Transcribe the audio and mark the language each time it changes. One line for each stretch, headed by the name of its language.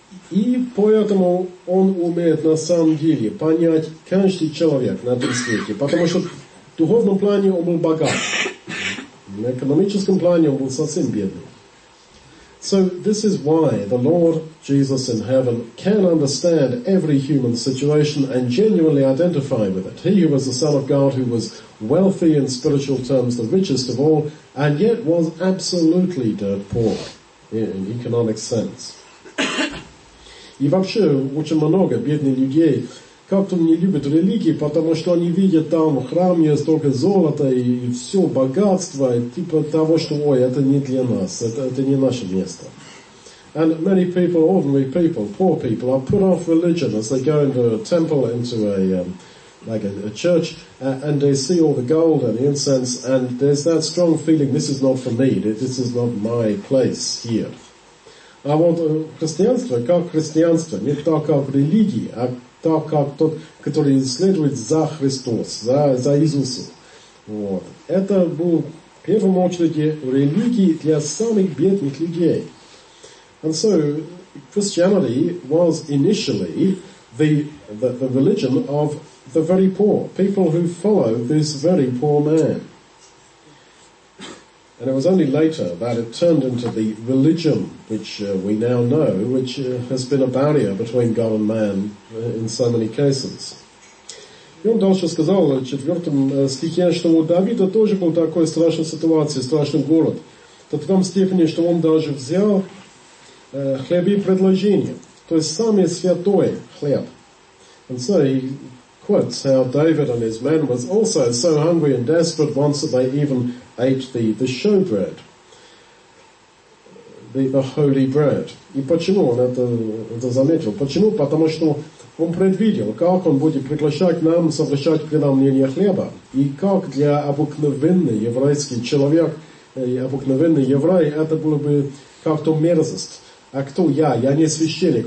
Russian: И поэтому он умеет на самом деле понять каждый человек на этом свете, потому что в духовном плане он был богат, на экономическом плане он был совсем бедный.
English: So this is why the Lord Jesus in heaven can understand every human situation and genuinely identify with it. He who was the Son of God, who was wealthy in spiritual terms, the richest of all, and yet was absolutely dirt poor in economic sense.
Russian: И вообще, очень много бедных людей как-то не любят религии, потому что они видят там в храме столько золота и все богатство, и типа того, что, ой, это не для нас, это не наше место.
English: And many people, ordinary people, poor people, are put off religion as they go into a temple, into a like a church, and they see all the gold and the incense, and there's that strong feeling, this is not for me, this is not my place here.
Russian: А вот христианство, как христианство, не так как религия, а так как тот, который следует за Христос, за Иисусом. Вот. Это был в первую очередь религии для самых бедных людей.
English: And so Christianity was initially the religion of the very poor, people who follow this very poor man. And it was only later that it turned into the religion which we now know, which has been a barrier between God and man in so many cases.
Russian: И он дальше сказал в четвертом стихе, что у Давида тоже был такой страшной ситуации, страшный голод. До такой степени, что он даже взял хлеб и предложение, то есть самый святой хлеб.
English: And so he quotes how David and his men was also so hungry and desperate once that they even ate the show bread, the holy bread.
Russian: И почему он это заметил? Почему? Потому что он предвидел, как он будет приглашать нам, совершать преломление хлеба. И как для обыкновенный еврейский человек, обыкновенный еврей, это было бы как-то мерзость. А кто я? Я не священник.